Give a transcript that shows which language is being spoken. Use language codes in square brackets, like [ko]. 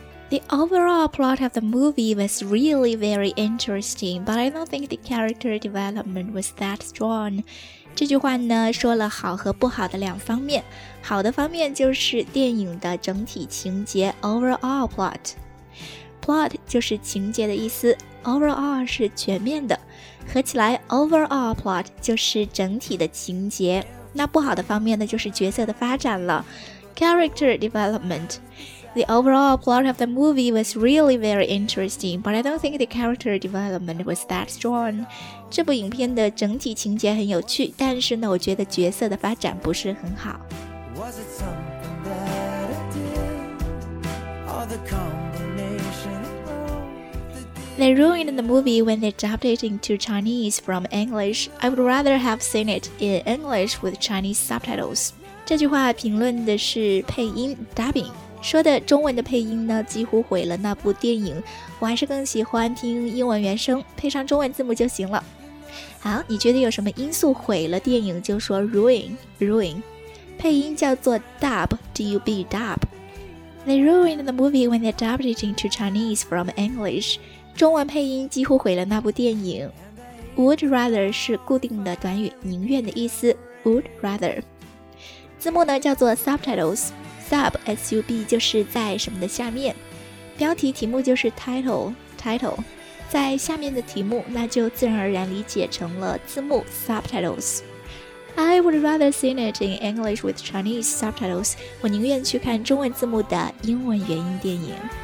[en] The overall plot of the movie was really very interesting, but I don't think the character development was that strong. [zh] 这句话呢，说了好和不好的两方面。好的方面就是电影的整体情节 [en] overall plot. [zh] Plot 就是情节的意思， overall 是全面的，合起来 [en] overall plot [zh] 就是整体的情节。那不好的方面呢，就是角色的发展了， [en] character development. The overall plot of the movie was really very interesting, but I don't think the character development was that strong. [zh] 这部影片的整体情节很有趣，但是呢，我觉得角色的发展不是很好。 [en] Was it something that I did? Or the combination? They ruined the movie when they adapted it into Chinese from English. I would rather have seen it in English with Chinese subtitles. [zh] 这句话评论的是配音 dubbing。说的中文的配音呢，几乎毁了那部电影。我还是更喜欢听英文原声，配上中文字幕就行了。好，你觉得有什么因素毁了电影？就说 ruin。配音叫做 dub。 [en] They ruined the movie when they dubbed it into Chinese from English。 [zh] 中文配音几乎毁了那部电影。 [en] Would rather [zh] 是固定的短语，宁愿的意思。Would rather。字幕呢叫做 subtitles。Sub 就是在什么的下面，标题题目就是 title， 在下面的题目，那就自然而然理解成了字幕 subtitles。 [en] I would rather see it in English with Chinese subtitles。 [zh] 我宁愿去看中文字幕的英文原音电影。